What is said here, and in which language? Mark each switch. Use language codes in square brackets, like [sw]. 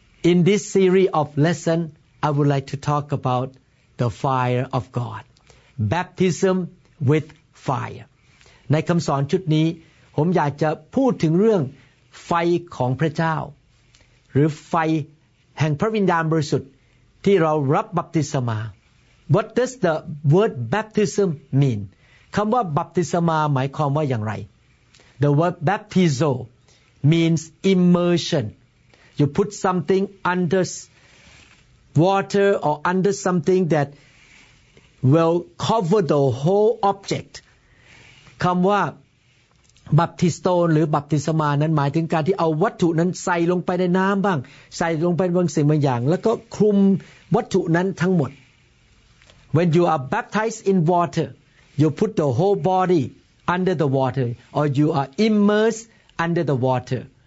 [en] In this series of lesson I would like to talk about the fire of God baptism with fire [th] ในคำสอนชุดนี้ผมอยากจะพูดถึงเรื่องไฟของพระเจ้าหรือไฟแห่งพระวิญญาณบริสุทธิ์ที่เรารับบัพติศมา [en] What does the word baptism mean? [th] คำว่าบัพติศมาหมายความว่าอย่างไร [en] The word baptizo means immersion. You put something under water or under something that will cover the whole object. [th] คำว่าบัพติสโตนหรือบัพติศมานั้นหมายถึงการที่เอาวัตถุนั้นใส่ลงไปในน้ำบ้างใส่ลงไปบางสิ่งบางอย่างแล้วก็คลุมวัตถุนั้นทั้งหมด [en] When you are baptized in water, you put the whole body under the water, or you are immersed under the water.